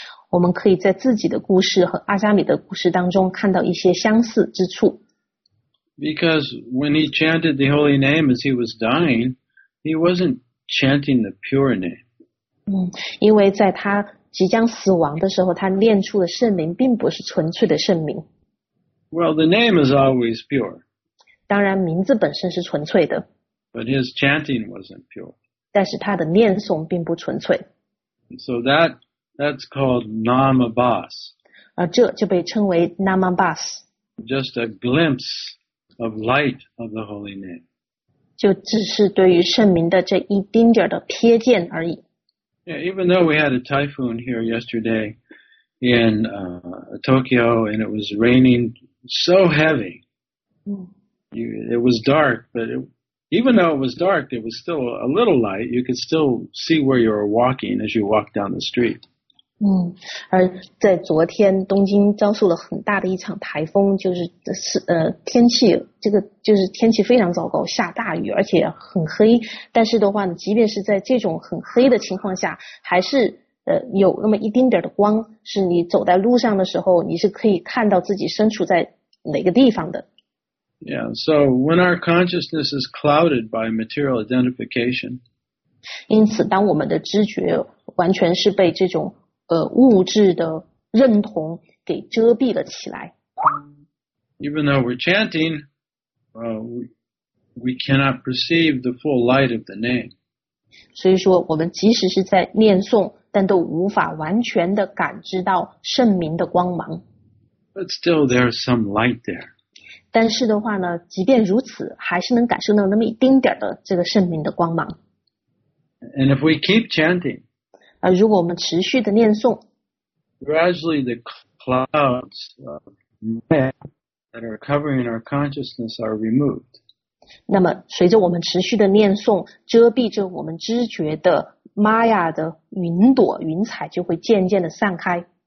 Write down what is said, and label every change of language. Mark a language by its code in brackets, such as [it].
[zh] 我们可以在自己的故事和阿加米的故事当中看到一些相似之处。 [en] Because when he chanted the holy name as he was dying,He wasn't chanting the pure name. [zh] 因为在他即将死亡的时候，他念出的圣名并不是纯粹的圣名。 [en] Well, the name is always pure. [zh] 当然，名字本身是纯粹的。 [en] But his chanting wasn't pure. [zh] 但是他的念诵并不纯粹。 [en] So that's called namabhas. [zh] 而这就被称为 namabhas. [en] Just a glimpse of light of the holy name. [zh] 就只是对于圣名的这一丁点的瞥见而已。 [en] Yeah, even though we had a typhoon here yesterday in Tokyo and it was raining so heavy, it was dark, but even though it was dark, it was still a little light. You could still see where you were walking as you walked down the street. [zh] 而在昨天东京遭受了很大的一场台风，就是天气这个就是天气非常糟糕，下大雨而且很黑，但是的话呢，即便是在这种很黑的情况下，还是有那么一丁点的光，是你走在路上的时候你是可以看到自己身处在哪个地方的。 [en] Yeah, so when our consciousness is clouded by material identification, [zh] 因此当我们的知觉完全是被这种物质的认同给遮蔽了起来。 [en] Even though we're chanting, we cannot perceive the full light of the name. [zh] 所以说，我们即使是在念诵，但都无法完全的感知到圣名的光芒。 [en] But still, there's some light there. [zh] 但是的话呢，即便如此，还是能感受到那么一丁点的这个圣名的光芒。 [en] And if we keep chanting. [zh] 而如果我们持续的念诵 [en] Gradually the clouds that are covering our consciousness are removed. [zh] 那么随着我们持续的念诵，遮蔽着我们知觉的玛雅的云朵云彩就会渐渐的散开。